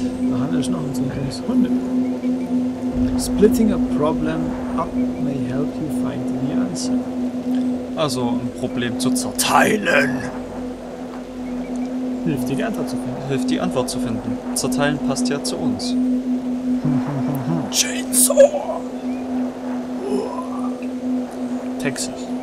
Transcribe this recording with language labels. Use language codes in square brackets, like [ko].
[de] Da haben wir schon noch ein kleines Hunde. [en] Splitting a problem up may help you find the answer. [de] Also ein Problem zu zerteilen. Hilft dir, die Antwort zu finden. Hilft, die Antwort zu finden. Zerteilen passt ja zu uns. [en] Chainsaw! Texas.